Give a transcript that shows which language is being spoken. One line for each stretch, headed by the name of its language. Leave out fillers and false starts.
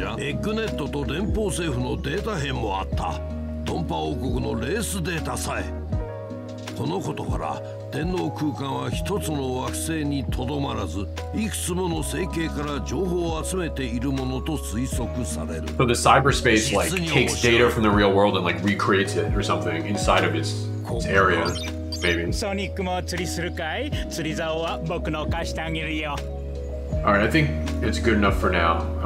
Japanese: エッグネットと連邦政府のデータ編もあった。トンパ王国のレースデータさえ。このことから天皇空間は一つの惑星にとどまらず、いくつもの星系から情報を集めているものと推測される。
English: So the cyberspace like takes data from the real world and like recreates it or something inside of its area, maybe.
Japanese: ソニックも釣りするかい？釣り竿は僕の貸してあげるよ。
English: All right, I think it's good enough for now.